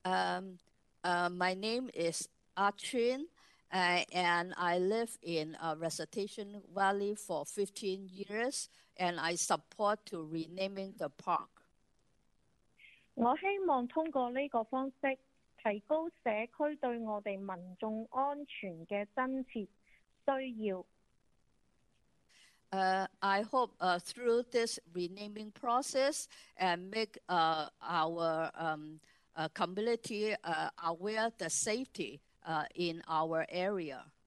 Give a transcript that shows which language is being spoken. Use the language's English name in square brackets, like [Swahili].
[English] My name is Ah Chun, and I live in Recitation Valley for 15 years, and I support to renaming the park. [Cantonese] 我希望通過呢個方式， 提高社區對我哋民眾安全嘅真切需要。 [English] I hope through this renaming process and make our community aware the safety in our area.